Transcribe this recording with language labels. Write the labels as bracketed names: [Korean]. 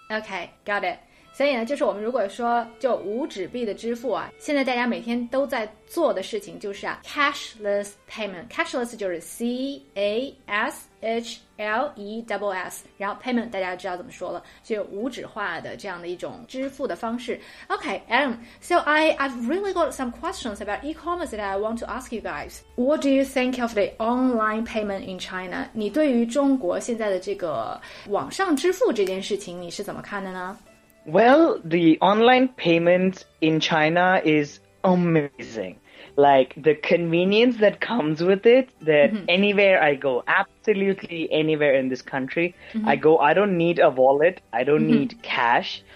[English] Okay, got it. [Chinese] 所以呢就是我们如果说就无纸币的支付啊现在大家每天都在做的事情就是啊 [English] cashless payment, [Chinese] cashless 就是 C-A-S-H-L-E-S-S, 然后 payment 大家知道怎么说了就无纸化的这样的一种支付的方式 [English] Okay, Adam, so I've really got some questions about e-commerce that I want to ask you guys. What do you think of the online payment in China? [Chinese] 你对于中国现在的这个网上支付这件事情你是怎么看的呢 [English] Well, the online payment in China is amazing. Like, the convenience that comes with it, that anywhere I go, absolutely anywhere in this country, I go, I don't need a wallet, I don't need cash.